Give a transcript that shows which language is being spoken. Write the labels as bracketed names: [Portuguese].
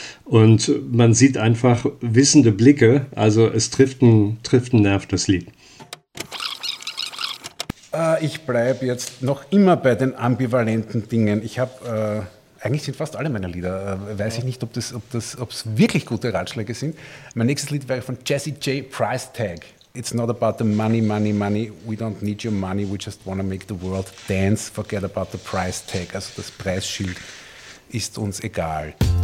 [German] Und man sieht einfach wissende Blicke, also es trifft einen Nerv, das Lied. Ich bleibe jetzt noch immer bei den ambivalenten Dingen. Ich habe, eigentlich sind fast alle meine Lieder, weiß ich nicht, ob es wirklich gute Ratschläge sind. Mein nächstes Lied wäre von Jesse J. [English] Price Tag. It's not about the money, money, money. We don't need your money. We just want to make the world dance. Forget about the price tag. [German] Also das Preisschild ist uns egal.